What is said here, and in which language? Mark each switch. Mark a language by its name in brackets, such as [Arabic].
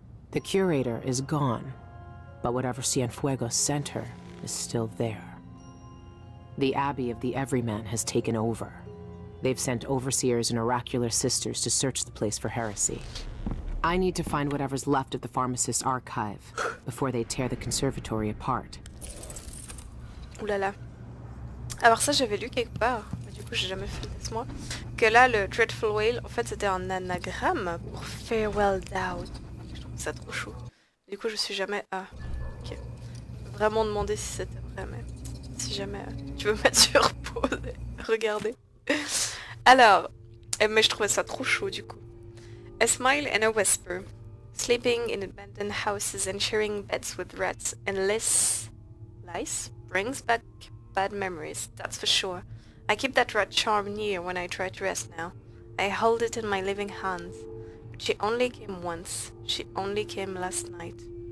[English] The curator is gone. But whatever Cienfuegos sent her is still there. The Abbey of the Everyman has taken over. They've sent overseers and oracular sisters to search the place for heresy. I need to find whatever's left of the pharmacist's archive before they tear the conservatory apart. [French] Ouh là là. Alors ça, j'avais lu quelque part, mais du coup, j'ai jamais fait, laisse-moi, que là, le Dreadful Whale, en fait, c'était un anagramme pour Farewell Doubt. Je trouve ça trop chaud. Du coup, je suis jamais... Ah, ok. Vraiment demandé si c'était vrai, mais... Si jamais tu veux mettre sur pause, regardez. Alors, mais je trouvais ça trop chaud, du coup. [English] A smile and a whisper. Sleeping in abandoned houses and sharing beds with rats and lice brings back bad memories, that's for sure. I keep that rat charm near when I try to rest now. I hold it in my living hands. She only came once. She only came last night.